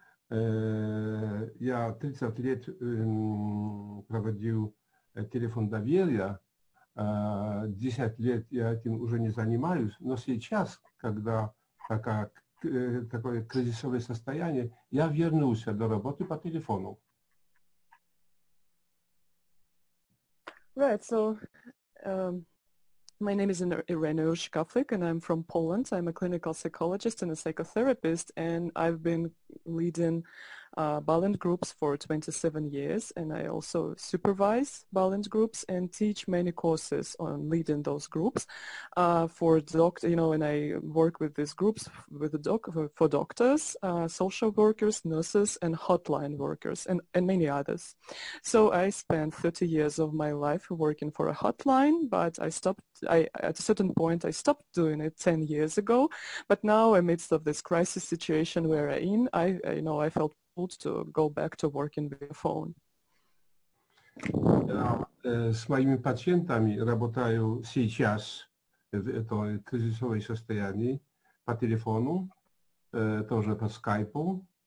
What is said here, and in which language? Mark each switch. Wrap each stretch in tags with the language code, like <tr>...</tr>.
<ru>Я 30 лет проводил телефон доверия, 10 лет я этим уже не занимаюсь, но сейчас, когда такое кризисовое состояние, я вернулся до работы по телефону.</ru> <en>Right, so my name is Irene Ushkaflik, and I'm from Poland. I'm a clinical psychologist and a psychotherapist, and I've been leading Balint groups for 27 years, and I also supervise Balint groups and teach many courses on leading those groups and I work with these groups for doctors, social workers, nurses, and hotline workers, and many others. So I spent 30 years of my life working for a hotline, but at a certain point I stopped doing it 10 years ago. But now, amidst of this crisis situation we're in, I felt to go back to working via phone.</en> <ru>Я с моими пациентами работаю сейчас в это кризисовое состояние по телефону, тоже по скайпу.</ru>